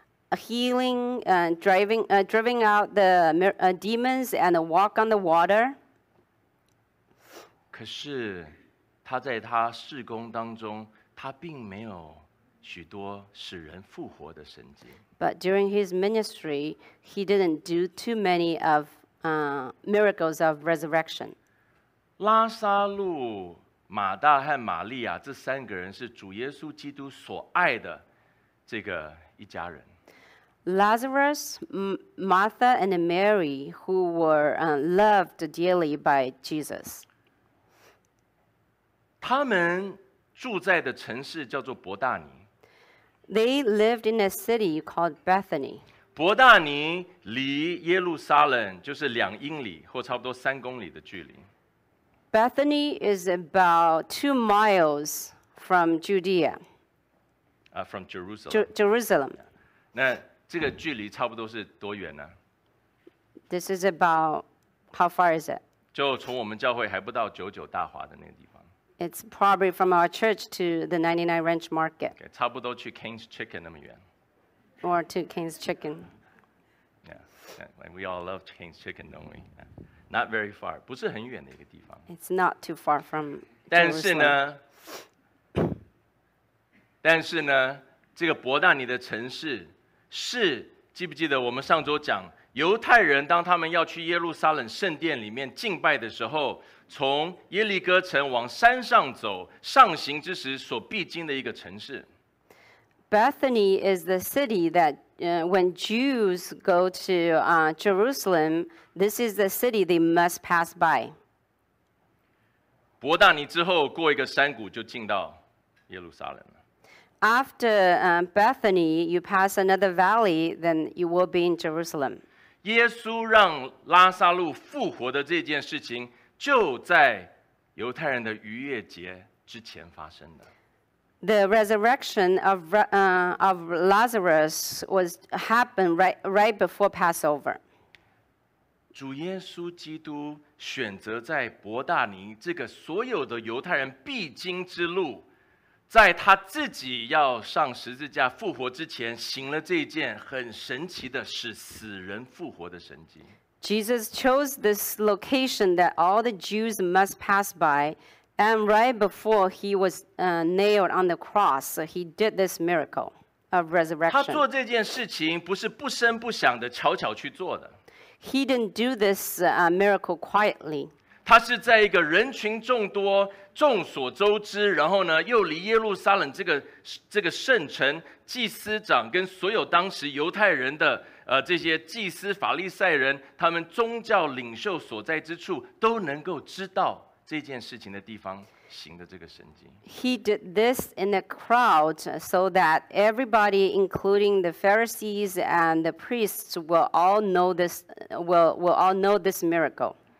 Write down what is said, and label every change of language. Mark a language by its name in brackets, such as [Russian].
[English] Healing, driving out the demons and walk on the water. [Chinese] 可是他在他事工当中，他并没有许多使人复活的神迹。 [English] But during his ministry, he didn't do too many of miracles of resurrection. [Chinese] 拉撒路、马大和玛利亚这三个人是主耶稣基督所爱的这个一家人。 [English] Lazarus, Martha, and Mary, who were loved dearly by Jesus. [Chinese] 他们住在的城市叫做伯大尼。 [English] They lived in a city called Bethany. [Chinese] 伯大尼离耶路撒冷就是两英里或差不多三公里的距离。 [English] Bethany is about 2 miles from Judea. From Jerusalem. Jerusalem. [Chinese] 那这个距离差不多是多远呢？ [English] This is about how far is it? [Chinese] 就从我们教会还不到九九大华的那个地方。 [English] It's probably from our church to the 99 Ranch Market. [Chinese] Okay, 差不多去 King's Chicken 那么远。 [English] Or to King's Chicken. Yeah, yeah, we all love King's Chicken, don't we? Not very far, [Chinese] 不是很远的一个地方。 [English] It's not too far from Jerusalem. [Chinese] 但是呢，这个伯大尼的城市。是，记不记得我们上周讲，犹太人当他们要去耶路撒冷圣殿里面敬拜的时候，从耶利哥城往山上走，上行之时所必经的一个城市。 [English] Bethany is the city that when Jews go to Jerusalem, this is the city they must pass by. [Chinese] 伯大尼之后过一个山谷就进到耶路撒冷了。 [English] After Bethany, you pass another valley, then you will be in Jerusalem. [Chinese] 耶稣让拉撒路复活的这件事情就在犹太人的逾越节之前发生的。 [English] The resurrection of Lazarus happened right before Passover. [Chinese] 主耶稣基督选择在伯大尼这个所有的犹太人必经之路。在他自己要上十字架复活之前，行了这件很神奇的使死人复活的神迹。 [English] Jesus chose this location that all the Jews must pass by, and right before he was nailed on the cross, he did this miracle of resurrection. [Chinese] 他做这件事情不是不声不响的悄悄去做的。 [English] He didn't do this miracle quietly. [Chinese] 他是在一个人群众多、众所周知，然后呢，又离耶路撒冷这个圣城，祭司长跟所有当时犹太人的这些祭司、法利赛人，他们宗教领袖所在之处都能够知道这件事情的地方行的这个神迹。 [English] He did this in a crowd so that everybody, including the Pharisees and the priests, will all know this miracle.